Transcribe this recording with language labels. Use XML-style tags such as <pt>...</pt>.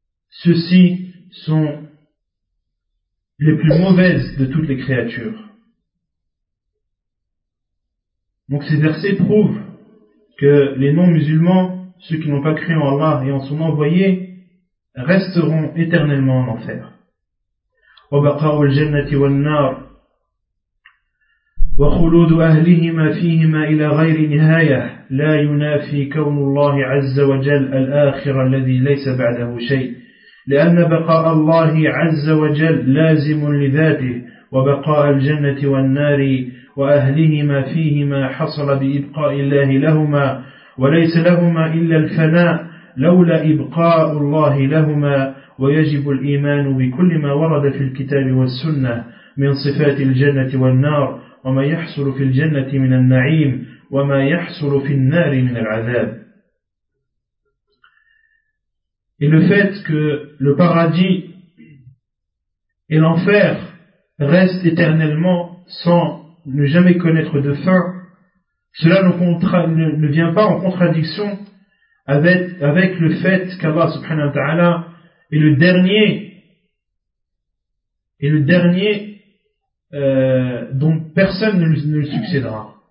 <fr>Ceux-ci sont les plus mauvaises de toutes les créatures. Donc ces versets prouvent que les non-musulmans, ceux qui n'ont pas cru en Allah et en son envoyé, resteront éternellement en enfer.</fr> <ar>وَبَقَرُوا الْجَنَّةِ وَالنَّارِ وَخُلُودُ أَهْلِهِمَا فِيهِمَا إِلَى غَيْرِ نِهَايَةٍ لَا يُنَافِي كَوْنُ اللَّهِ عَزَّ وَجَلَّ الْآخِرَ الَّذِي لَيْسَ بَعْدَهُ شَيْءٍ لأن بقاء الله عز وجل لازم لذاته وبقاء الجنة والنار وأهلهما فيهما حصل بإبقاء الله لهما وليس لهما إلا الفناء لولا إبقاء الله لهما ويجب الإيمان بكل ما ورد في الكتاب والسنة من صفات الجنة والنار وما يحصل في الجنة من النعيم وما يحصل في النار من العذاب.</ar> <fr>Et le fait que le paradis et l'enfer restent éternellement sans ne jamais connaître de fin, cela ne vient pas en contradiction avec le fait qu'Allah subhanahu wa ta'ala est le dernier dont personne ne le succédera.</fr>